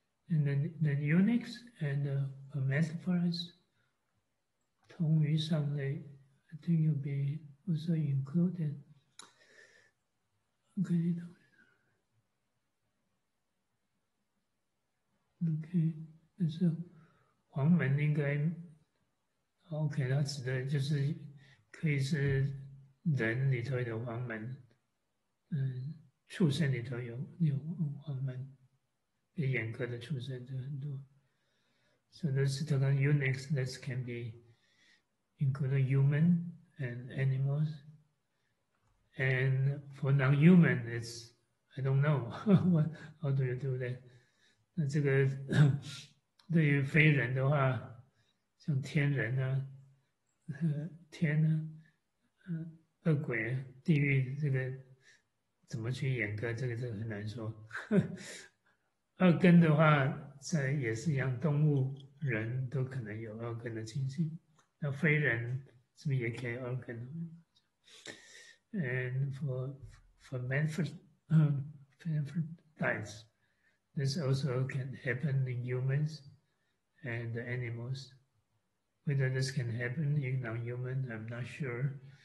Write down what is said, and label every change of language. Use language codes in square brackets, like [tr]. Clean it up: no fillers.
[en] And then eunuchs and hermaphrodites, [zh] 同于上类, [en] I think you'll be also included. [zh] Okay, 但是黄门应该 OK， 它指的就是可以是人里头的黄门，畜生里头有黄门，被阉割的畜生就很多。 [en] So this is talking eunuchs. This can be include human and animals. And for non-human, it's, I don't know, how do you do that? [zh] 那这个对于非人的话，像天人啊、天啊、恶鬼、地狱，这个怎么去阉割？这个很难说。二根的话，这也是一样，动物、人都可能有二根的情形。那非人是不是也可以二根？ [en] And for hermaphrodites, this also can happen in humans and animals. Whether this can happen in non-human, I'm not sure.